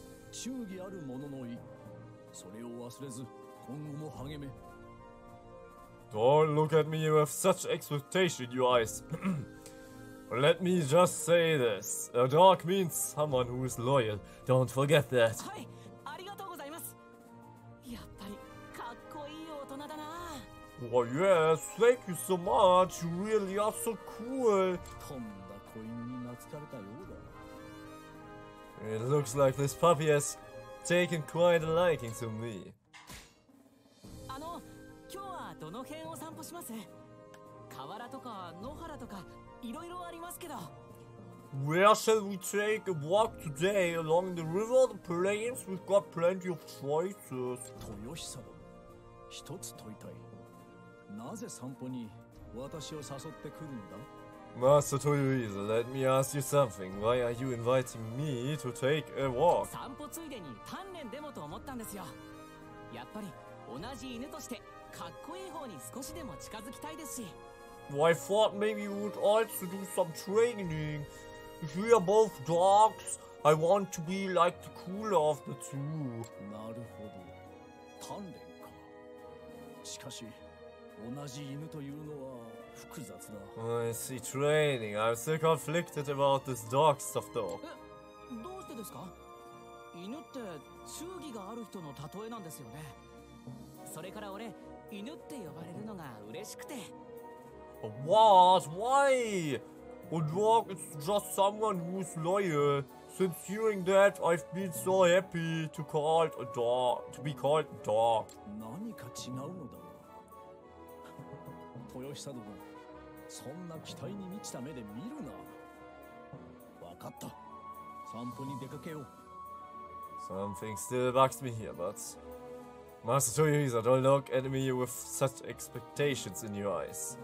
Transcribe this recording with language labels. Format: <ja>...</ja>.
<ja>忠義ある者の意、それを忘れず今後も励め。</ja> <en>Don't look at me with such expectation, you eyes. Let me just say this. A dog means someone who is loyal. Don't forget that.</en> <ja>はい、ありがとうございます。やっぱりかっこいい大人だな。</ja> <en>Why, yes, thank you so much. You really are so cool.</en> <ja>とんだ子犬に懐かれたようだ。</ja> <en>It looks like this puppy has taken quite a liking to me.</en> <ja>あの、今日はどの辺を散歩します？河原とか野原とか、いろいろありますけど。</ja> <en>Where shall we take a walk today? Along the river or the plains? We've got plenty of choices.</en> <ja>豊久殿、一つ問いたい。なぜ散歩に私を誘ってくるんだ？</ja> <en>Master Toyoiza, let me ask you something. Why are you inviting me to take a walk?</en> <ja>散歩ついでに鍛錬でもと思ったんですよ。やっぱり同じ犬としてかっこいい方に少しでも近づきたいですし。</ja> <en>Well, I thought maybe you would also do some training. If we are both dogs, I want to be like the cooler of the two.</en> <ja>なるほど。鍛錬か。しかし、同じ犬というのは複雑だ。</ja> <en>I see training. I'm still conflicted about this dog stuff though.</en> <ja>どうしてですか？犬って忠義がある人の例えなんですよね。それから俺、犬って呼ばれるのが嬉しくて。</ja> <en>What? Why? A dog is just someone who's loyal. Since hearing that, I've been so happy to call a dog, to be called a dog.</en> <ja>何か違うのだ。豊久殿、そんな期待に満ちた目で見るな。わかった。散歩に出かけよう。</ja> <en>Something still bugs me here, but Master Toyoiza, don't look at me with such expectations in your eyes.</en>